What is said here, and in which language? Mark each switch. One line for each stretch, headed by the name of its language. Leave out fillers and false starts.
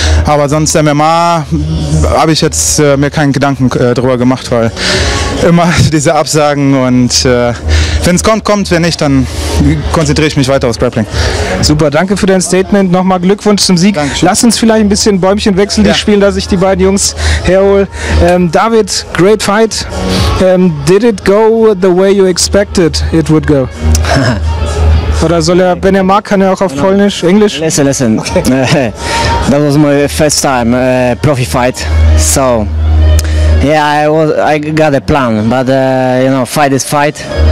German: Aber sonst MMA habe ich jetzt mir keinen Gedanken drüber gemacht, weil immer diese Absagen und wenn es kommt, kommt. Wenn nicht, dann konzentriere ich mich weiter aufs Grappling. Super, danke für dein Statement. Nochmal Glückwunsch zum Sieg. Dankeschön. Lass uns vielleicht ein bisschen Bäumchen wechseln, die spielen, dass ich die beiden Jungs herhole.
English: David, great fight. Did it go the way you expected it would go?
German: Oder soll er, wenn er mag, kann er auch auf Polnisch, Englisch?
English: Listen. Okay. That was my first time profi fight. So, yeah, I got a plan, but fight is fight.